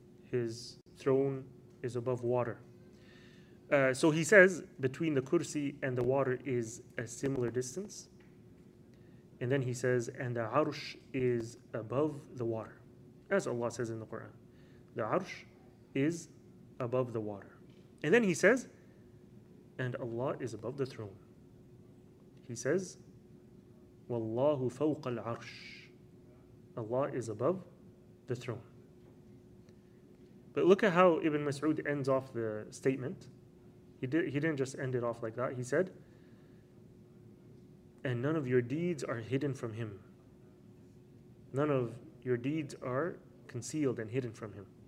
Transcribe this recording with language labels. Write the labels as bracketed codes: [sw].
[en] His throne is above water. So he says between the kursi and the water is a similar distance. And then he says, and the arsh is above the water. As Allah says in the Quran, the arsh is above the water. And then he says, and Allah is above the throne. He says, [ar] وَاللَّهُ فَوْقَ الْعَرْشِ. [en] Allah is above the throne. But look at how Ibn Mas'ud ends off the statement. He didn't just end it off like that. He said, and none of your deeds are hidden from him. None of your deeds are concealed and hidden from him.